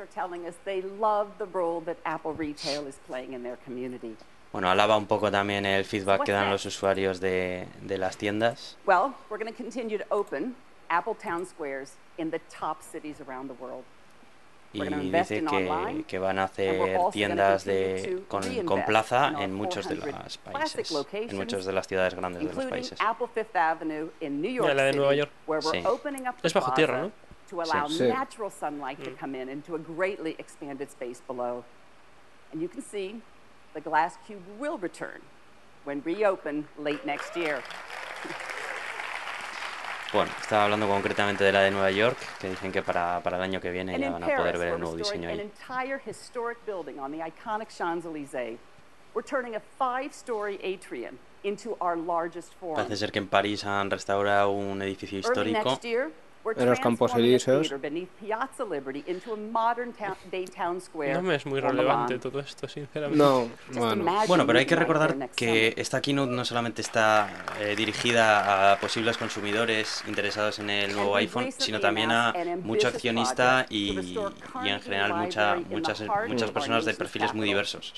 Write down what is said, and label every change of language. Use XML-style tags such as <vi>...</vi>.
<en>are telling us they love the role that Apple Retail is playing in their community.</en> <es>Bueno, alaba un poco también el feedback que dan los usuarios de las tiendas.</es> <en>Well, we're going to continue to open Apple Town Squares in the top cities around the world.</en> <es>Y dice que van a hacer tiendas con plaza en muchas de las ciudades grandes de los países. Ya, la de Nueva York. Sí. Es bajo tierra, ¿no?</es> <en>To allow natural sunlight to come in into a greatly expanded space below. And you can see the glass cube will return when reopen late next year.</en> <es>Bueno, estaba hablando concretamente de la de Nueva York, que dicen que para el año que viene ya van a poder ver el nuevo diseño ahí.</es> <en>An entire historic building on the iconic Champs-Élysées. We're turning a 5-story atrium into our largest forum.</en> <es>Parece ser que en París han restaurado un edificio histórico. En los Campos Elíseos. No me es muy relevante todo esto, sinceramente. No, bueno. Bueno, pero hay que recordar que esta keynote no solamente está dirigida a posibles consumidores interesados en el nuevo iPhone, sino también a mucho accionista y en general muchas personas de perfiles muy diversos.</es>